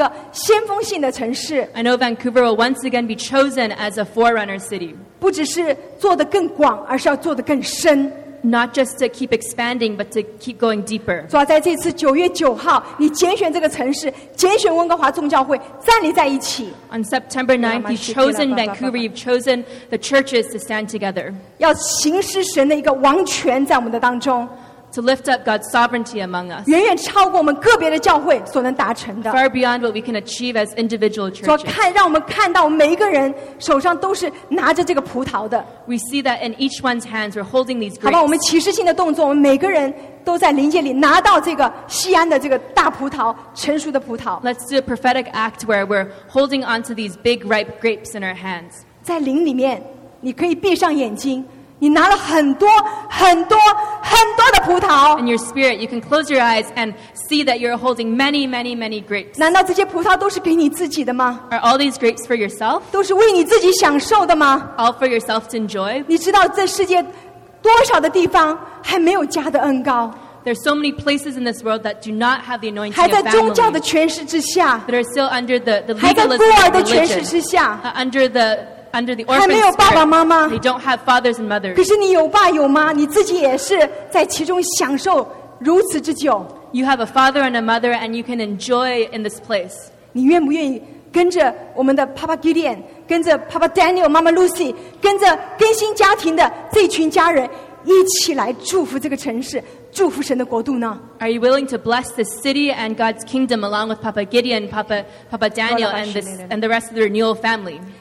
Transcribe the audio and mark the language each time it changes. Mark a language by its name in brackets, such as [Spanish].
[Chinese] 我知道温哥华要再次被拣选成为这样的一个先锋性的城市。 [English] I know Vancouver will once again be chosen as a forerunner city. [Chinese] 不只是做得更广, 而是要做得更深。 [English] Not just to keep expanding, but to keep going deeper. [Chinese] 主啊,在这次9月9号, 你拣选这个城市, 拣选温哥华众教会, 站立在一起。 [English] On September 9th, you've chosen Vancouver, you've chosen the churches to stand together. [Chinese] 要行使神的一个王权在我们的当中。 [English] To lift up God's sovereignty among us. [Chinese] 远远超过我们个别的教会所能达成的。 [English] Far beyond what we can achieve as individual churches. [Chinese] 主啊,看, 让我们看到每一个人手上都是拿着这个葡萄的。 [English] We see that in each one's hands we're holding these grapes. [Chinese] 好吧, 我们启示性的动作, 我们每个人都在灵界里拿到这个西安的这个大葡萄, 成熟的葡萄。 [English] Let's do a prophetic act where we're holding onto these big ripe grapes in our hands. [Chinese] 在灵里面, 你可以闭上眼睛, 你拿了很多很多很多的葡萄。 [English] In your spirit, you can close your eyes and see that you're holding many, many, many grapes. [Chinese] 难道这些葡萄都是给你自己的吗? [English] Are all these grapes for yourself? [Chinese] 都是为你自己享受的吗? [English] All for yourself to enjoy? [Chinese] 你知道这世界多少的地方还没有加的恩膏? [English] There are so many places in this world that do not have the anointing of family. [Chinese] 还在宗教的权势之下, [English] that are still under the legalism of religion. Under the orphan's care, they don't have fathers and mothers. [Chinese] 可是你有爸有妈, 你自己也是在其中享受如此之久。 [English] You have a father and a mother, and you can enjoy in this place. [Chinese] 你愿不愿意跟着我们的Papa Gideon, 跟着Papa Daniel, Mama Lucy, 跟着更新家庭的这群家人, 一起来祝福这个城市, 祝福神的国度呢? [English] Are you willing to bless this city and God's kingdom along with Papa Gideon, Papa Daniel, and the rest of the Renewal family?